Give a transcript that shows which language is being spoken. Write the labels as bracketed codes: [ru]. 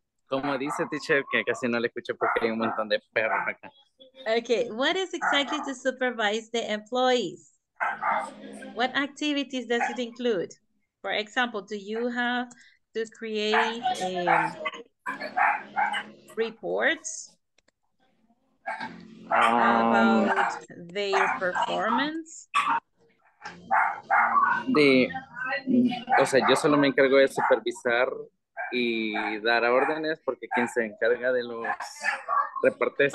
[es] Como dice teacher, que casi no le escucho porque hay un montón de perros acá. [en] Okay, what is exactly to supervise the employees? What activities does it include? For example, do you have to create reports about their performance? [es] O sea, yo solo me encargo de supervisar y dar órdenes porque quien se encarga de los reportes